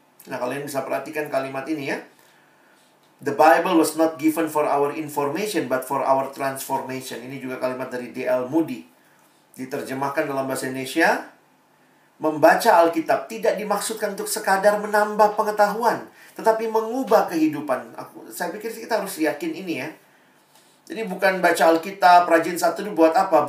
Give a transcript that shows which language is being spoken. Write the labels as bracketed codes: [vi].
[id] Nah, kalian bisa perhatikan kalimat ini ya. [en] "The Bible was not given for our information, but for our transformation." [id] Ini juga kalimat dari D.L. Moody. Diterjemahkan dalam bahasa Indonesia, membaca Alkitab tidak dimaksudkan untuk sekadar menambah pengetahuan, tetapi mengubah kehidupan. Saya pikir kita harus yakin ini ya. Jadi bukan baca Alkitab, rajin satu itu buat apa?